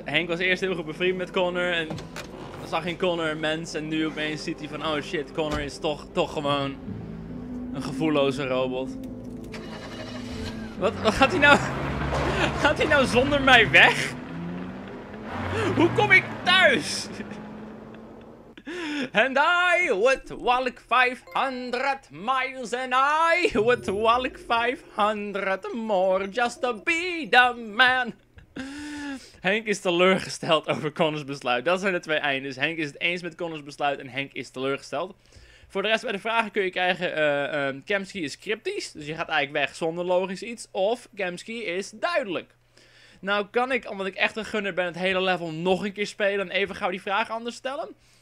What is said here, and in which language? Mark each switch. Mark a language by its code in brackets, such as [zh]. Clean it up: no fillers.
[nl] Henk was eerst heel goed bevriend met Connor en dan zag in Connor een mens en nu opeens ziet hij van oh shit, Connor is toch gewoon een gevoelloze robot. Wat gaat hij nou? Gaat hij nou zonder mij weg? Hoe kom ik thuis? [en] And I would walk 500 miles and I would walk 500 more just to be the man. [nl] Henk is teleurgesteld over Connors besluit. Dat zijn de twee eindes. Henk is het eens met Connors besluit en Henk is teleurgesteld. Voor de rest bij de vragen kun je krijgen, Kempsey is cryptisch, dus je gaat eigenlijk weg zonder logisch iets. Of Kempsey is duidelijk. Nou kan ik, omdat ik echt een gunner ben, het hele level nog een keer spelen en even gauw die vraag anders stellen.